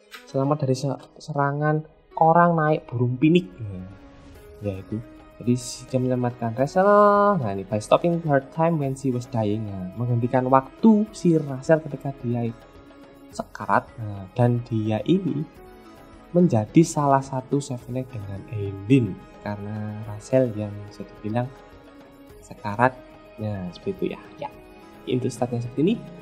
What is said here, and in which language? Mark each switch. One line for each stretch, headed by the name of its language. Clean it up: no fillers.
Indonesian: Selamat dari serangan orang naik burung pinik. Ya itu. Jadi dia menyelamatkan Russell. Nah ini
English: by stopping her time when she was dying.
Indonesian: Nah, menghentikan waktu si Russell ketika dia sekarat. Nah, dan dia ini menjadi salah satu Sevenek dengan Aileen. Karena Russell yang bisa dibilang sekarat. Nah seperti itu ya. Ya. Itu startnya seperti ini.